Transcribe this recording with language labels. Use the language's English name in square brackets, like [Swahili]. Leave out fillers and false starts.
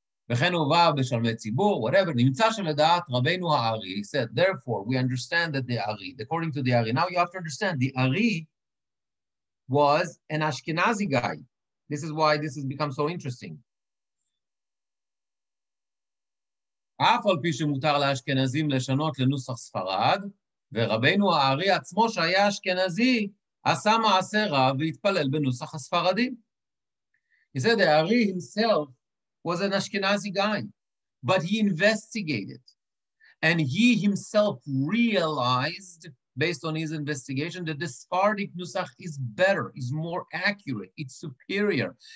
[Hebrew] V'chen uva b'shalmei tzibur, [English] whatever. [Hebrew] Nimtza sheledat Rabbeinu Ha'ari, [English] he said, therefore, we understand that the Ari, according to the Ari, now you have to understand, the Ari was an Ashkenazi guy. This is why this has become so interesting. [Hebrew] אף על פי שמותר לאשכנזים לשנות לנוסח ספרד, ורבינו הארי עצמו שהיה אשכנזי, עשה מעשה רב והתפלל בנוסח הספרדים. [English] He said the Ari himself was an Ashkenazi guy, but he investigated, and he himself realized, based on his investigation, that the Sephardic Nusach is better, is more accurate, it's superior.